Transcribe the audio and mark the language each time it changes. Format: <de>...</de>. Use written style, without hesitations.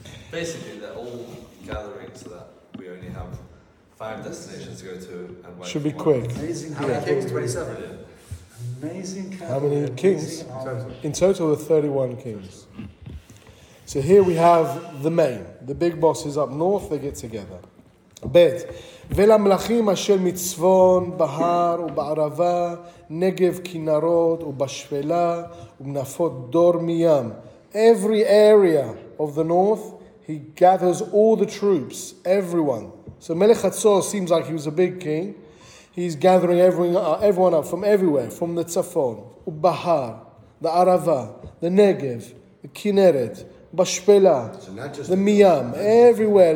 <en>Basically, they're all gathering so that we only have five destinations to go to. And should be quick. Amazing. How many kings? 27. Amazing. How many kings? In total, there are 31 kings. So here we have the main. The big bosses up north, they get together.</en> <he>ב' ולמלכים אשר מצפון בהר ובערבה נגב כנרות ובשפלה ומנפות דור מים.</he> <en>Every area of the north, he gathers all the troops, everyone. So Melech Hatzor seems like he was a big king. He's gathering everyone up from everywhere, from the Tzafon, Ubahar, the Arava, the Negev, the Kinneret, Bashpela, the Miyam, everywhere.</en>